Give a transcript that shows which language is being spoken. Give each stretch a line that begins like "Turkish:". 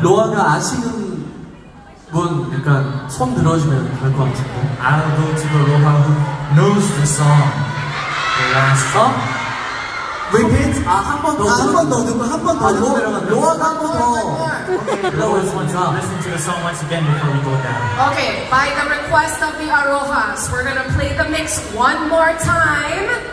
Korean: 로아가 아시는 분 약간 손 들어주면 될 것 같은데.
English: I'll go to the Roha who knows the song. The last song. Repeat.
Korean: 아, 한 번 더. 아, 한 번 더 듣고 한 번 더 듣고 내려가면 로아가 한 번 더.
English: Listen to the song once again before we go down. Okay, by the request of the Arohas, we're gonna play the mix one more time.